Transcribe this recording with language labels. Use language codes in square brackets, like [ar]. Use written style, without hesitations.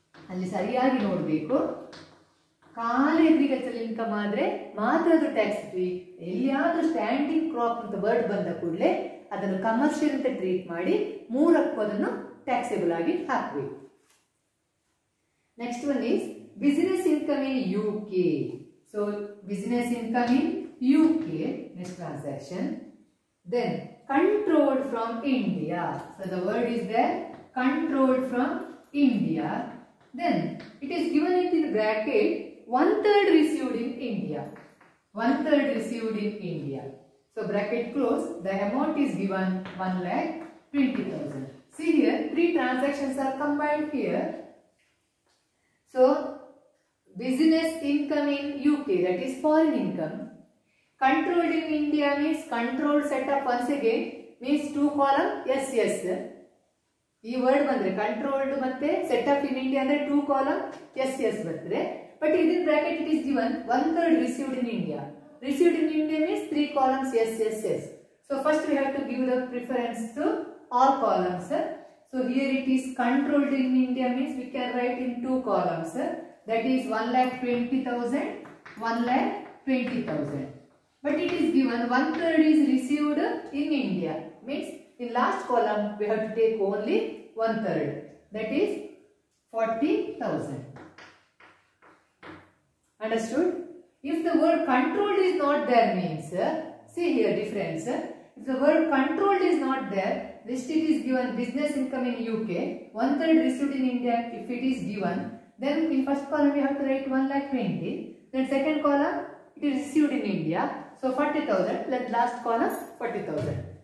[kn] ಅಲ್ಲಿ ಸರಿಯಾಗಿ ನೋಡಬೇಕು, ಖಾಲಿ ಅಗ್ರಿಕಲ್ಚರ್ ಇನ್ಕಮ್ ಆದರೆ ಮಾತ್ರ ಅದು ಟ್ಯಾಕ್ಸ್ ಫ್ರೀ. ಎಲ್ಲಿಯಾದರೂ ಸ್ಟ್ಯಾಂಡಿಂಗ್ ಕ್ರಾಪ್ ಅಂತ ವರ್ಡ್ ಬಂದ ಕೂಡಲೇ ಅದನ್ನು ಕಮರ್ಷಿಯಲ್ ಅಂತ ಟ್ರೀಟ್ ಮಾಡಿ ಮೂರಕ್ಕೂ ಅದನ್ನು ಟ್ಯಾಕ್ಸೇಬಲ್ ಆಗಿ ಹಾಕಬೇಕು. [en] Next one is business income in UK. So business income in UK, next transaction. Then controlled from India. So the word is there, controlled from India. Then it is given in the bracket, one third received in India. One third received in India. So bracket close, the amount is given 1,20,000. See here, three transactions are combined here. So business income in UK, that is foreign income. Controlled in India means controlled setup once again. Means two column, yes, yes. [kn] ಈ word ಬಂದ್ರೆ controlled ಮತ್ತೆ setup in India ಅಂದ್ರೆ two column S S ಬರ್ತದೆ. [en] But in this bracket it is given one third received in India. Received in India means three columns S S S. So first we have to give the preference to all columns. So here it is controlled in India means we can write in two columns, that is 1,20,000, 1,20,000. But it is given one third is received in India means in last column we have to take only one third, that is 40,000. Understood? If the word controlled is not there means, see here difference, if the word controlled is not there, listed is given business income in UK, one third received in India, if it is given, then in first column we have to write 1,20,000, then second column it is received in India, so 40,000, then last column 40,000.